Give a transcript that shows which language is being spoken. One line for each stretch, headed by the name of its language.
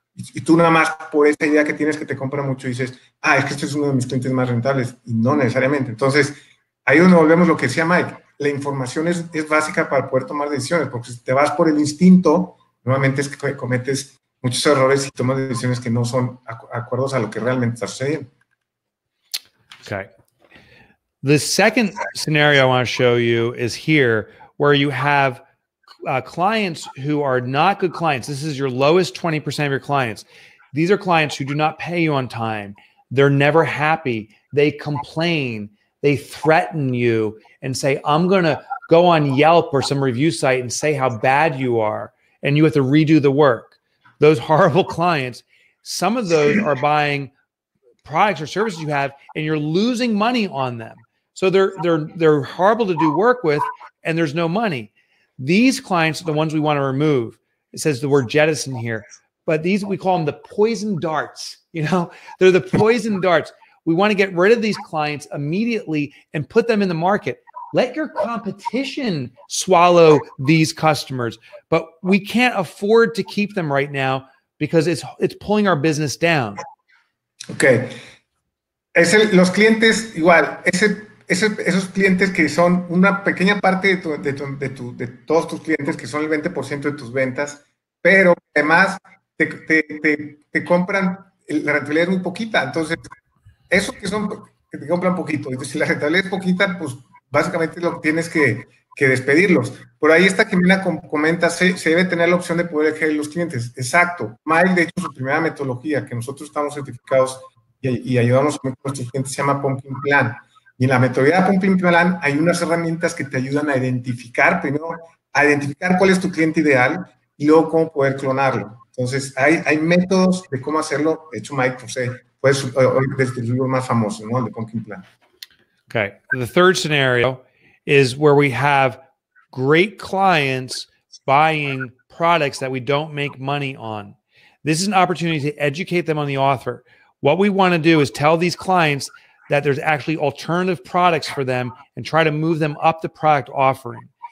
Spanish: Y tú nada más por esa idea que tienes que te compra mucho, dices, ah, es que este es uno de mis clientes más rentables. Y no necesariamente. Entonces, ahí donde volvemos lo que decía Mike, la información es básica para poder tomar decisiones, porque si te vas por el instinto, normalmente es que cometes muchos errores y tomas decisiones que no son acuerdos a lo que realmente está sucediendo. Okay.
English: The second scenario I want to show you is here, where you have clients who are not good clients. This is your lowest 20% of your clients. These are clients who do not pay you on time. They're never happy. They complain. They threaten you and say, I'm going to go on Yelp or some review site and say how bad you are. And you have to redo the work. Those horrible clients, some of those are buying products or services you have, and you're losing money on them. So they're horrible to do work with, and there's no money. These clients are the ones we want to remove. It says the word jettison here, but these we call them the poison darts. You know, they're the poison darts. We want to get rid of these clients immediately and put them in the market. Let your competition swallow these customers, but we can't afford to keep them right now because it's pulling our business down.
Spanish: Okay. Los clientes, igual, esos clientes que son una pequeña parte de todos tus clientes, que son el 20% de tus ventas, pero además te compran, la rentabilidad es muy poquita. Entonces, esos que son, que te compran poquito, entonces, si la rentabilidad es poquita, pues básicamente lo que tienes que despedirlos. Por ahí está Jimena comenta, se debe tener la opción de poder elegir los clientes. Exacto. Mile, de hecho, su primera metodología, que nosotros estamos certificados y ayudamos a nuestros clientes, se llama Pumpkin Plan. Y en la metodología de Pumpkin Plan hay unas herramientas que te ayudan a identificar, primero, a identificar cuál es tu cliente ideal y luego cómo poder clonarlo. Entonces, hay métodos de cómo hacerlo. De hecho, Mike, José, pues, es el libro más famoso, ¿no? El de Pumpkin Plan. Okay.
English: The third scenario is where we have great clients buying products that we don't make money on. This is an opportunity to educate them on the offer. What we want to do is tell these clients that there's actually alternative products for them and try to move them up the product offering.